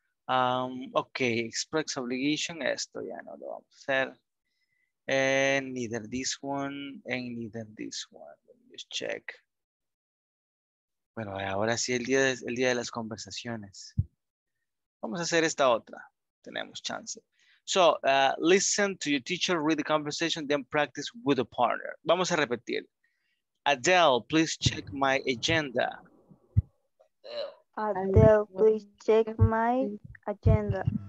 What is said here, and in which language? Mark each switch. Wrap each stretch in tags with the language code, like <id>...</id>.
<en>Okay, express obligation,</en> <es>esto ya no lo vamos a hacer.</es> <en>And neither this one, and neither this one. Let me just check.</en> <es>Bueno, ahora sí, el día de las conversaciones. Vamos a hacer esta otra. Tenemos chance.</es> <en>So, listen to your teacher, read the conversation, then practice with a partner.</en> <es>Vamos a repetir.</es> <en>Adele, please check my agenda. Adele, please check my agenda.</en>